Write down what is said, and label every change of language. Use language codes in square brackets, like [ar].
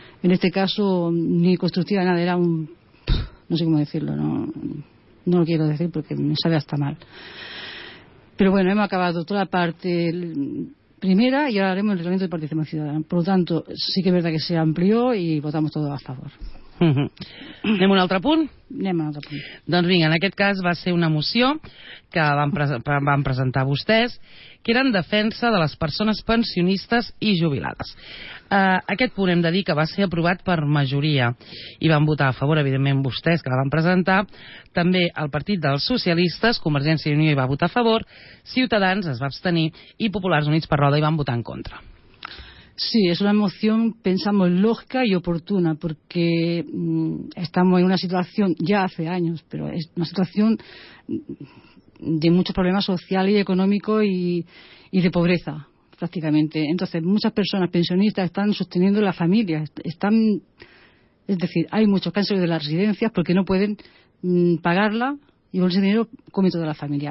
[es] En este caso, ni constructiva, nada, era un... No sé cómo decirlo, no lo quiero decir porque me sale hasta mal. Pero bueno, hemos acabado toda la parte primera y ahora haremos el reglamento de participación ciudadana. Por lo tanto, sí que es verdad que se amplió y votamos todos a favor. [ca] Anem a un altre punt? Anem a un altre punt. Doncs vinga, en aquest cas va ser una moció que van presentar vostès, que era en defensa de les persones pensionistes i jubilades. Aquest punt hem de dir que va ser aprovat per majoria i van votar a favor, evidentment, vostès que la van presentar. També el Partit dels Socialistes, Convergència i Unió, hi va votar a favor, Ciutadans es va abstenir i Populars Units per Roda hi van votar en contra. [es] Sí, es una moción, pensamos, lógica y oportuna, porque estamos en una situación, ya hace años, pero es una situación de muchos problemas sociales y económicos y de pobreza, prácticamente. Entonces, muchas personas pensionistas están sosteniendo la familia, están, es decir, hay muchos que han salido de las residencias porque no pueden pagarla y con ese dinero come toda la familia.